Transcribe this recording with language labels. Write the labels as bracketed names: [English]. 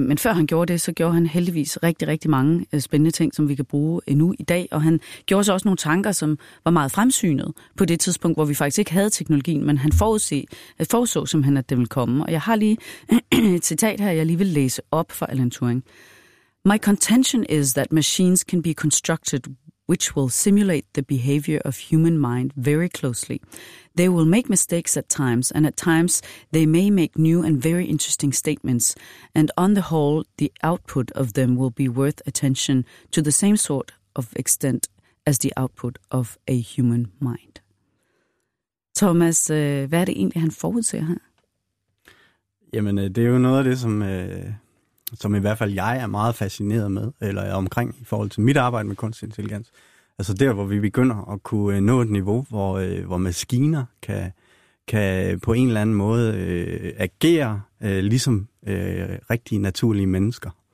[Danish] Men før han gjorde det, så gjorde han heldigvis rigtig, rigtig mange spændende ting, som vi kan bruge endnu i dag. Og han gjorde så også nogle tanker, som var meget fremsynet på det tidspunkt, hvor vi faktisk ikke havde teknologien, men han forudså simpelthen, at det ville komme. Og jeg har lige et citat her, jeg lige vil læse op for Alan Turing. [English] My contention is that machines can be constructed which will simulate the behavior of human mind very closely. They will make mistakes at times, and at times they may make new and very interesting statements, and on the whole, the output of them will be worth attention to the same sort of extent as the output of a human mind. [Danish] Thomas, hvad er det egentlig, han forudser her? Jamen, det er jo noget af det, som i hvert fald jeg er meget fascineret med, eller omkring i forhold til mit arbejde med kunstig intelligens. Altså der, hvor vi begynder at kunne nå et niveau, hvor maskiner kan på en eller anden måde agere ligesom rigtige naturlige mennesker.